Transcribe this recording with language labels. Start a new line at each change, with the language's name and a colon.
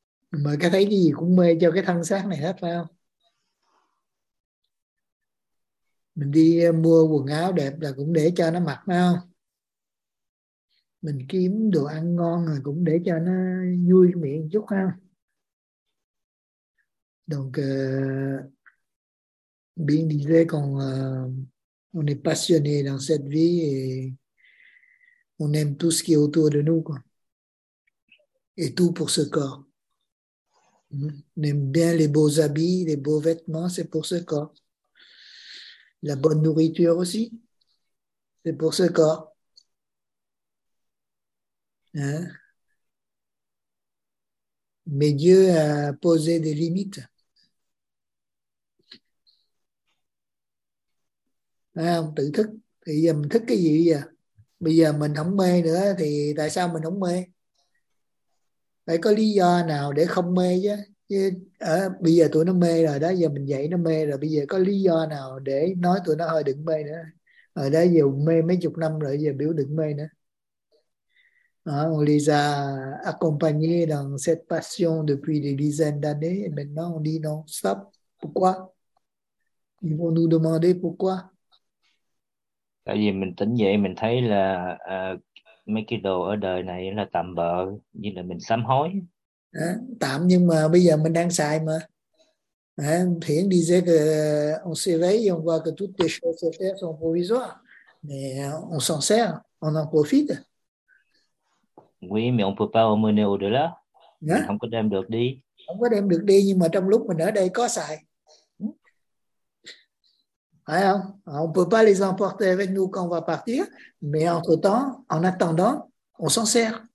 Vietnamese: Mà cái thấy cái gì cũng mê cho cái thân xác này hết phải không? Mình đi mua quần áo đẹp là cũng để cho nó mặc phải không? Mình kiếm đồ ăn ngon rồi cũng để cho nó vui miệng chút ha.
French: Donc, bien disait qu'on est passionné dans cette vie et on aime tout ce qui est autour de nous, quoi. Et tout pour ce corps. On aime bien les beaux habits, les beaux vêtements, c'est pour ce corps. La bonne nourriture aussi, c'est pour ce corps. Hein? Mais Dieu a posé des limites.
Vietnamese: À, không, tự thức thì giờ mình thức cái gì vậy? Bây giờ mình không mê nữa thì tại sao mình không mê? Phải có lý do nào để không mê chứ. Bây giờ tụi nó mê rồi đó, giờ mình dạy nó mê rồi, bây giờ có lý do nào để nói tụi nó thôi đừng mê nữa. Ở đó giờ mê mấy chục năm rồi, giờ biểu đừng mê nữa.
French: On les a accompagnés dans cette passion depuis des dizaines d'années et maintenant on dit non, stop. Pourquoi? Ils vont nous demander pourquoi.
Vietnamese: Tại vì mình tỉnh dậy mình thấy là mấy cái đồ ở đời này là tạm bợ, như là mình sám hối. À, tạm nhưng mà bây giờ mình đang xài mà.
French: À, Thiện đi dễ que on se réveille, on voit que toutes les choses sur terre sont provisoires. Mais on s'en sert, on en profite. Mais on peut pas emmener au-delà.
Vietnamese: Mình Nhá. không có đem được đi. Không có đem được đi nhưng mà trong lúc mình ở đây có xài. Phải không?
French: On peut pas les emporter avec nous quand on va partir, mais entre-temps, en attendant, on s'en sert.